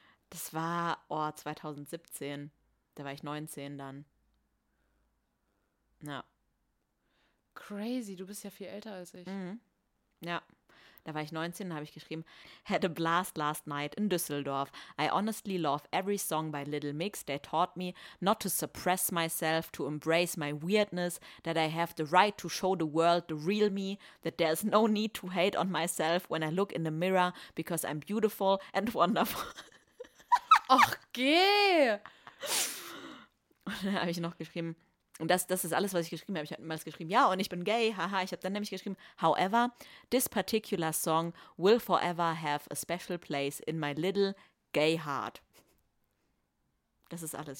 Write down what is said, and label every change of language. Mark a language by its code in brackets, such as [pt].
[de] Das war, 2017. Da war ich 19 dann. Ja. Crazy, du bist ja viel älter als ich. Mhm. Ja. Da war ich 19, da habe ich geschrieben, [en] had a blast last night in Düsseldorf. I honestly love every song by Little Mix. They taught me not to suppress myself, to embrace my weirdness, that I have the right to show the world the real me, that there is no need to hate on myself when I look in the mirror, because I'm beautiful and wonderful. [de] Ach, geh! Und dann habe ich noch geschrieben, und das ist alles, was ich geschrieben habe. Ich habe mal geschrieben, ja, und ich bin gay, haha. Ich habe dann nämlich geschrieben, [en] however, this particular song will forever have a special place in my little gay heart. [de] Das ist alles.